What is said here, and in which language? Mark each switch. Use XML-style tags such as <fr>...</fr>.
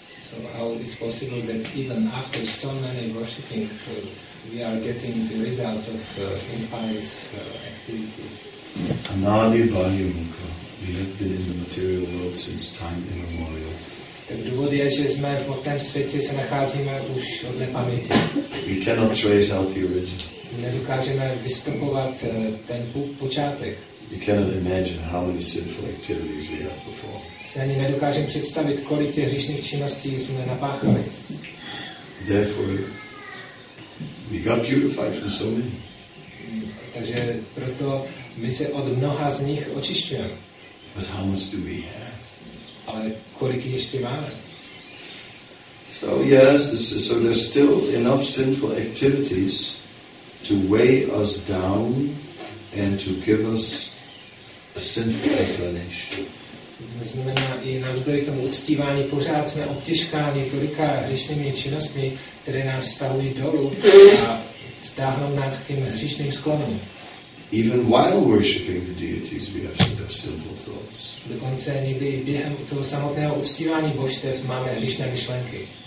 <en>So how is possible that even after so many worshipping, we are getting the results of impious activities? Anadi Bani Mukha. We have been in the material world since time immemorial.</en> <cs>Tak důvod je, že jsme v tom světě se nacházíme už od nepaměti.</cs> <en>We cannot trace out the origin.</en> <cs>Nedokážeme vystupovat ten počátek.</cs> <en>You cannot imagine how many sinful activities we have before.</en> <cs>Já ani nedokážem představit, kolik těch hříšných činností jsme napáchali.</cs> <en>Therefore, we got purified from so many.</en> <cs>Takže proto my se od mnoha z nich očišťujeme.</cs> <en>But how much do we have?</en> <cs>Ale kolik ještě máme?</cs> <en>So yes, this is, so there's still enough sinful activities to weigh us down and to give us a sinful inclination.</en> <cs>To znamená, i navzdory tomu uctívání, pořád jsme obtěžkáni tolika hříšnými činnostmi, které nás stahují dolů a stáhnou nás k těm hříšným sklonům.</cs> <en>Even while worshipping the deities, we have some sinful thoughts.</en> <cs>Dokonce někdy během toho samotného uctívání božstev máme hříšné myšlenky.</cs>